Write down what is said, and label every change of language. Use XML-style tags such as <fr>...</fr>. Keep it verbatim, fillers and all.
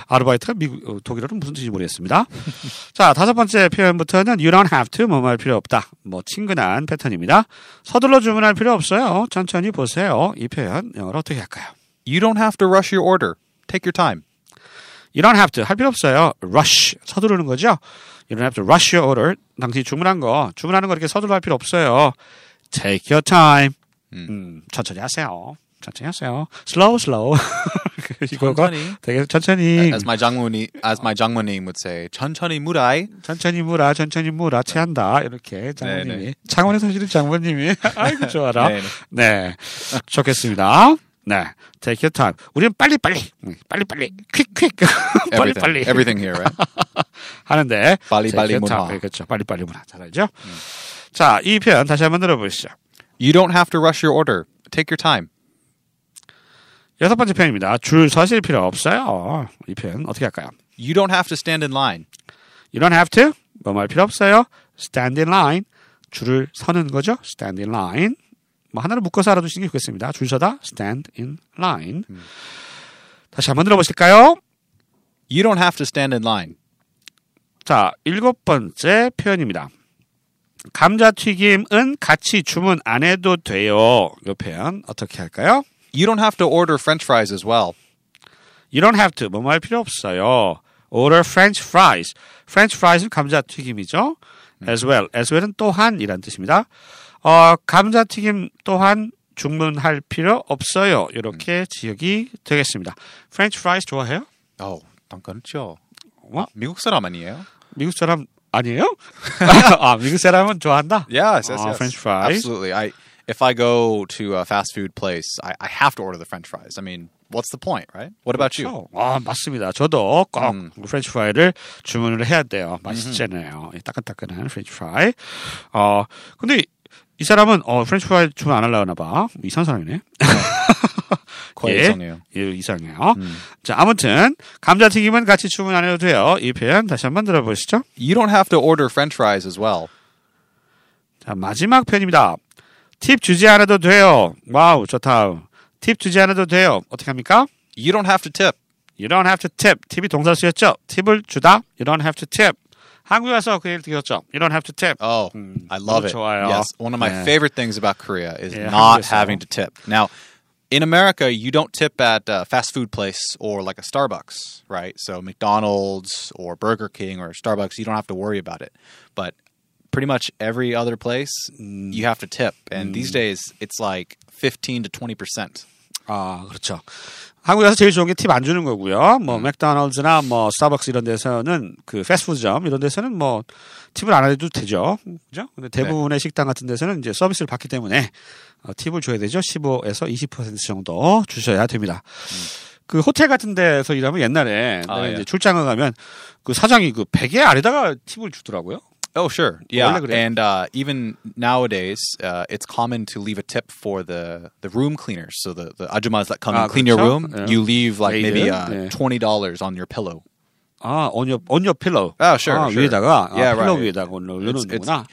<ko>아르바이트가 미국 어, 독일어는 무슨 뜻인지 모르겠습니다. 자, 다섯 번째 표현부터는 you don't have to 뭐뭐 할 필요 없다. 뭐 친근한 패턴입니다. 서둘러 주문할 필요 없어요. 천천히 보세요. 이 표현 영어로 어떻게 할까요?</ko> <en>You don't have to rush your order. Take your time.</en> <ko>You don't have to. 할 필요 없어요. rush. 서두르는 거죠.</ko> <en>You don't have to rush your order.</en> <ko>당신이 주문한 거. 주문하는 거 이렇게 서둘러 할 필요 없어요.</ko> <en>Take your time.</en> <ko>음. 음, 천천히 하세요. 천천히 하세요.</ko> <en>Slow, slow.</en> <ko>이거가 되게 천천히.</ko> <en>As my 장모님, as my 장모님 would say,</en> <ko>천천히 무라이. 천천히 무라, 천천히 무라, 체한다. 이렇게 장모님이. 창원에 사시는 장모님이. 아이고 좋아라. 네네. 네, 좋겠습니다.</ko> <en>네, take your time.</en> <ko>우리는 빨리 빨리, 빨리 빨리, quick quick, 빨리 빨리.</ko> <en>Everything here, right?</en> <ko>하는데 빨리 빨리 문화. 그렇죠. 빨리 빨리 문화. 잘 알죠? 음. 자, 이 표현 다시 한번 들어보시죠.</ko> <en>You don't have to rush your order. Take your time.</en> <ko>여섯 번째 표현입니다. 줄 서실 필요 없어요. 이 표현 어떻게 할까요?</ko> <en>You don't have to stand in line. You don't have to.</en> <ko>뭐 할 필요 없어요.</ko> <en>Stand in line.</en> <ko>줄을 서는 거죠.</ko> <en>Stand in line.</en> <ko>뭐 하나를 묶어서 알아두시는 게 좋겠습니다. 줄 서다. Stand in line. 음. 다시 한번 들어보실까요?</ko> <en>You don't have to stand in line.</en> <ko>자, 일곱 번째 표현입니다. 감자튀김은 같이 주문 안 해도 돼요. 이 표현 어떻게 할까요?</ko> <en>You don't have to order French fries as well. You don't have to.</en> <ko>뭐뭐 할 필요 없어요.</ko> <en>Order French fries.</en> <ko>French fries는 감자튀김이죠.</ko> <en>음. As well.</en> <ko>As well은 또한이란 뜻입니다. 어, 감자튀김 또한 주문할 필요 없어요. 이렇게 음. 지역이 되겠습니다. French fries 좋아해요? 어, 난 그렇죠. 어? 미국 사람 아니에요? 미국 사람 아니에요? 아, 미국 사람은 좋아한다?</ko> <en>Yes, yes, 어, yes. French fries. Absolutely. I If I go to a fast food place, I, I have to order the French fries. I mean, what's the point, right? What about you?</en> <ko>아, 맞습니다. 저도 꼭 음. French fry를 주문을 해야 돼요. 맛있잖아요. 음. 따끈따끈한 French fry. 어, 근데 이 사람은 어, French fry 주문 안 하려나 봐. 이상한 사람이네. 거의 예, 이상해요. 예, 이상해요. 음. 자, 아무튼 감자튀김은 같이 주문 안 해도 돼요. 이 표현 다시 한번 들어보시죠.</ko> <en>You don't have to order French fries as well.</en> <ko>자, 마지막 표현입니다. 팁 주지 않아도 돼요. 와우, 좋다. 팁 주지 않아도 돼요. 어떻게 합니까?</ko> <en>You don't have to tip. You don't have to tip.</en> <ko>팁이 동사수였죠. 팁을 주다.</ko> <en>You don't have to tip.</en> <ko>한국에 와서 그 얘기를 들었죠.</ko> <en>You don't have to tip. Oh, 음, I love it.</en> <ko>좋아요.</ko> <en>Yes, one of my 네. favorite things about Korea is 네, not having to tip. Now, in America, you don't tip at a fast food place or like a Starbucks, right? So McDonald's or Burger King or Starbucks, you don't have to worry about it. But pretty much every other place, mm. you have to tip. And mm. these days, it's like fifteen to twenty percent.</en> <ko>아, 그렇죠. 한국에서 제일 좋은 게 팁 안 주는 거고요. 뭐, 맥도날드나 뭐, 스타벅스 이런 데서는 그 패스트푸드점 이런 데서는 뭐, 팁을 안 해도 되죠. 그죠? 근데 대부분의 네. 식당 같은 데서는 이제 서비스를 받기 때문에 어, 팁을 줘야 되죠. 십오에서 이십 퍼센트 정도 주셔야 됩니다. 음. 그 호텔 같은 데서 일하면 옛날에 아, 내가 예. 이제 출장을 가면 그 사장이 그 베개 아래다가 팁을 주더라고요.</ko> <en>Oh, sure. Yeah. And uh, even nowadays, uh, it's common to leave a tip for the, the room cleaners. So the, the ajumas that come and clean your room, you leave like maybe uh, twenty dollars on your pillow. Ah, on your, on your pillow. Oh, sure. 아, sure.</en> <ko>위에다가, yeah, 아, right. 위에다가 올려놓는구나.</ko>